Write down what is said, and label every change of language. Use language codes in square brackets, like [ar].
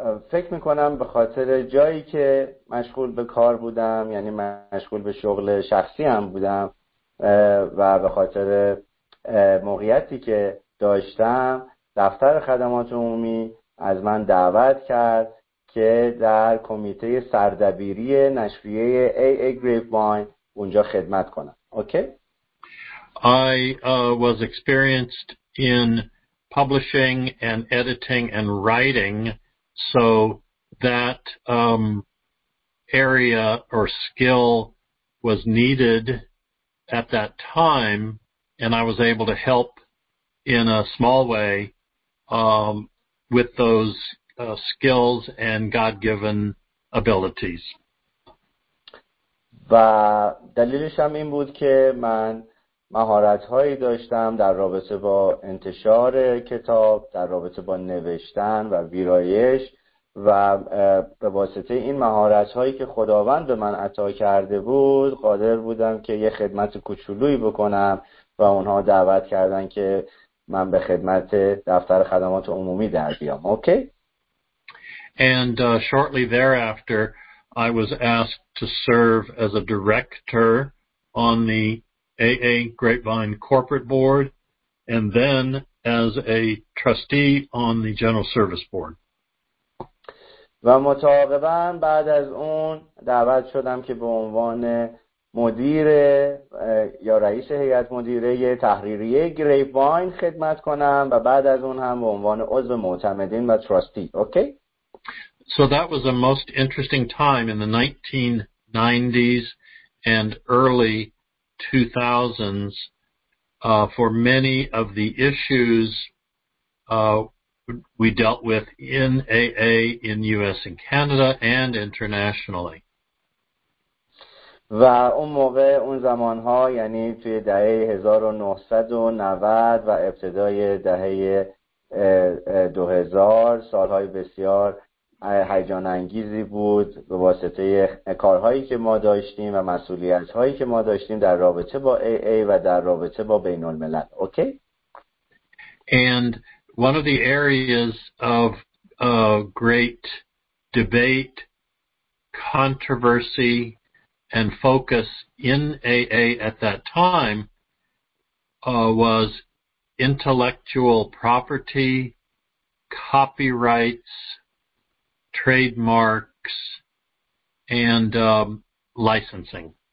[fa] فکر میکنم به خاطر جایی که مشغول به کار بودم یعنی مشغول به شغل شخصی هم بودم و به خاطر موقعیتی که داشتم دفتر خدمات عمومی از من دعوت کرد که در کمیته سردبیری نشریه AA Grapevine اونجا خدمت کنم. اوکی؟ [en] I was experienced in publishing and editing and writing, so that area or skill was needed at that time, and I was able to help in a small way with those skills and God-given abilities. [fa] و دلیلش هم این بود که من مهارت‌هایی داشتم در رابطه با انتشار کتاب، در رابطه با نوشتن و ویرایش و به واسطه این مهارت‌هایی که خداوند به من عطا کرده بود، قادر بودم که یه خدمت کوچولویی بکنم و اونها دعوت کردن که من به خدمت دفتر خدمات عمومی در بیام. اوکی؟ [en] And shortly thereafter I was asked to serve as a director on the AA Grapevine Corporate Board and then as a trustee on the General Service Board. [fa] و مطابقا بعد از اون دعوت شدم که به عنوان مدیر یا رئیس هیئت مدیره تحریریه گریپواین خدمت کنم و بعد از اون هم به عنوان عضو معتمدین و تراستی. اوکی؟ [en] So that was a most interesting time in the 1990s and early 2000s for many of the issues we dealt with in AA in US and Canada and internationally. [fa] و اون موقع اون زمانها یعنی توی دهه 1990 و ابتدای دهه 2000 سالهای بسیار هیجان انگیزی بود به واسطه کارهایی که ما داشتیم و مسئولیتهایی که ما داشتیم در رابطه با AA و در رابطه با بین الملل. اوکی؟ [en] And one of the areas of great debate, controversy and focus in AA at that time was intellectual property, copyrights, trademarks, and licensing.